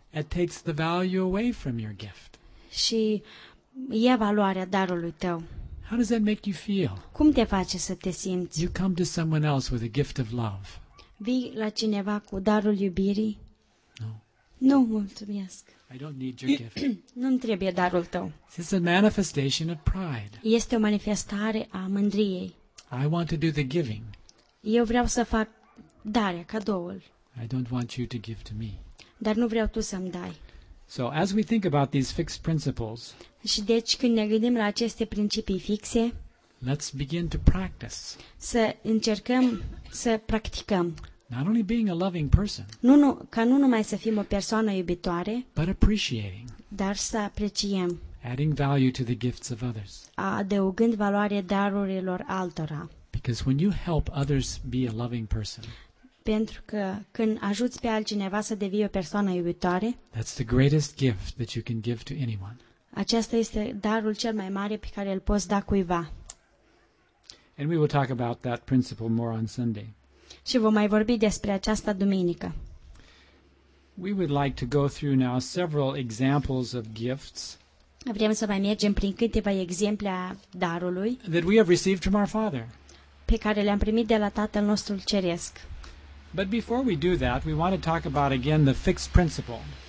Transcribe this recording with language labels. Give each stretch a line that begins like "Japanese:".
English: It takes the value away from your gift.
Romanian: Și ia valoarea darului tău.
English: How does that make you feel?
Romanian: Cum te face să te simți?
English: You come to someone else with a gift of love.
Romanian: Vii la cineva cu darul iubirii?
English: No.
Romanian: Nu, mulțumesc.
English: I don't need your gift.
Romanian: Nu-mi trebuie darul tău.
English: This is a manifestation of pride.
Romanian: Este o manifestare a mândriei.
English: I want to do the giving.
Romanian: Eu vreau să fac darea, cadoul.
English: I don't want you to give to me.
Romanian: Dar nu vreau tu să-mi dai.
English: So as we think about these fixed principles.
Romanian: Și deci când ne gândim la aceste principii fixe.
English: Let's begin to practice.
Romanian: Să încercăm să practicăm.
English: Not only being a loving person.
Romanian: Nu, ca nu numai să fim o persoană iubitoare.
English: But appreciating.
Romanian: Dar să apreciem.
English: Adding value to the gifts of others.
Romanian: Adăugând valoare darurilor altora.
English: Because when you help others be a loving person.
Romanian: Pentru că când ajuți pe altcineva să devii o persoană iubitoare.
English: That's the greatest gift that you can give to anyone.
Romanian: Acesta este darul cel mai mare pe care îl poți da cuiva.
English: And we will talk about that principle more on Sunday.
Romanian: Și vom mai vorbi despre aceasta duminică.
English: We would like to go through now several examples of gifts.
Romanian: Vrem să mai mergem prin câteva exemple a darului.
English: That we have received from our Father.
Romanian: Pe care le-am primit de la Tatăl nostru ceresc.
English: But before we do that, we want to talk about again the fixed principle.